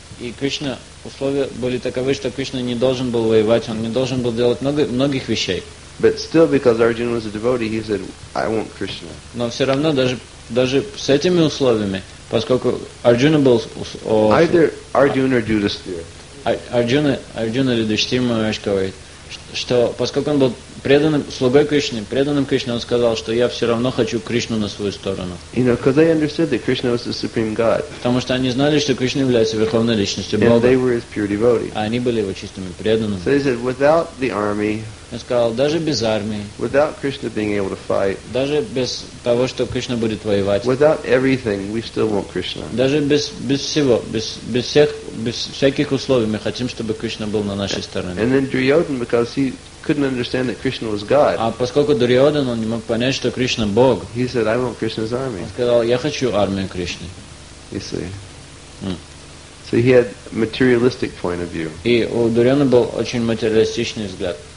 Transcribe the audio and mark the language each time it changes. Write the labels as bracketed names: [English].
[Russian] И Кришна условия были таковы, что Кришна не должен был воевать, он не должен был делать многих вещей. [English] But still, because Arjuna was a devotee, he said, "I want Krishna." [Russian] Но все равно даже с этими условиями, поскольку Арджуна был [English] either Arjuna or Yudhishthira. [Russian] Арджуна или Юдхиштхира Махарадж говорит, что поскольку он был преданным слугой Кришне, преданным Кришне, он сказал, что я все равно хочу Кришну на свою сторону. [English] You know, because they understood that Krishna was the supreme God. [Russian] Потому что они знали, что Кришна является верховной личностью [English] Бога. And they were his pure devotees. [Russian] А они были его чистыми преданными. [English] So he said, without the army. [Russian] Он сказал, даже без армии. [English] Without Krishna being able to fight. [Russian] Даже без того, что Кришна будет воевать. [English] Without everything, we still want Krishna. [Russian] Даже без всего, без всяких условий, мы хотим, чтобы Кришна был на нашей стороне. [English] And then Duryodhana, because he couldn't understand that Krishna was God. [Russian] А поскольку Дурьодан он не мог понять, что Кришна Бог. [English] He said, "I want Krishna's army." [Russian] Он сказал, я хочу армию Кришны. [English] You see. So he had materialistic point of view. [Russian] И у Дурьодана был очень материалистичный взгляд.